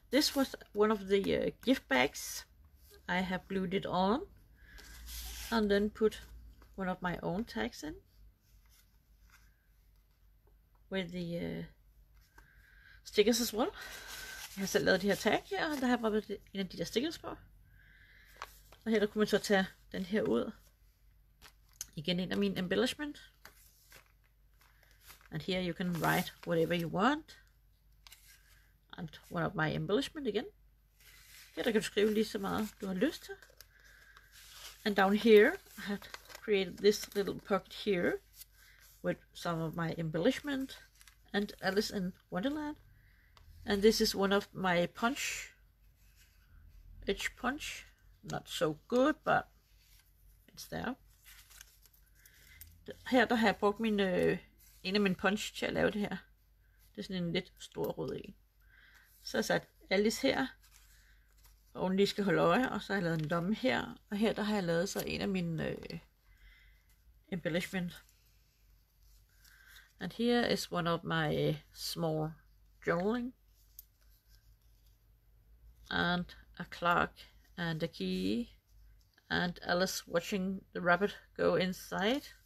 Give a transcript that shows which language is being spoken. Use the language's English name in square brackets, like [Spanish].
[English] This was one of the gift bags I have glued it on. And then put one of my own tags in with the stickers as well. [Danish] Jeg har selv lavet de her tag her, og der har jeg bare en af de der stickers på. Og her der kunne man så tage den her ud. Igen en af mine embellishment. [English] And here you can write whatever you want. And one of my embellishment [Danish] igen. Her der kan du skrive lige så meget du har lyst til. [English] And down here, I have created this little pocket here with some of my embellishment and Alice in Wonderland. And this is one of my edge punch. Not so good, but it's there. [Danish] Her der har jeg brugt en af mine punch til at lave det her. Det er sådan en lidt stor rød en. Så har sat Alice her. Og hun lige skal holde øje, og så har jeg lavet en lomme her. Og her der har jeg lavet så en af mine embellishment. [English] And here is one of my small journaling and a clerk and a key and Alice watching the rabbit go inside.